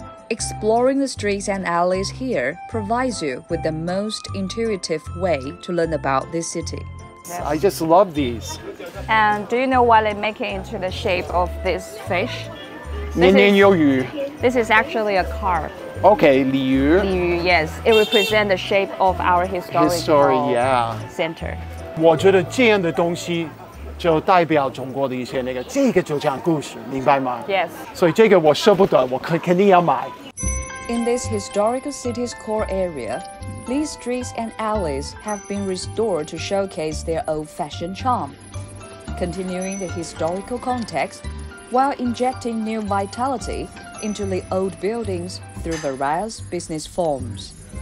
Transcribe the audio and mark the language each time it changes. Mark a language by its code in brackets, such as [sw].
[en] Exploring the streets and alleys here provides you with the most intuitive way to learn about this city. Yes. I just love these. And do you know why they make it into the shape of this fish? This is actually a carp. Okay, 鲤鱼. 鲤鱼, yes. It represents the shape of our historical center. [zh] 我觉得这样的东西就代表中国的一些那个，这个就讲故事，明白吗？ [en] Yes. [zh] 所以这个我舍不得，我肯定要买。 [en] In this historical city's core area, these streets and alleys have been restored to showcase their old-fashioned charm. Continuing the historical context, while injecting new vitality into the old buildings through various business forms.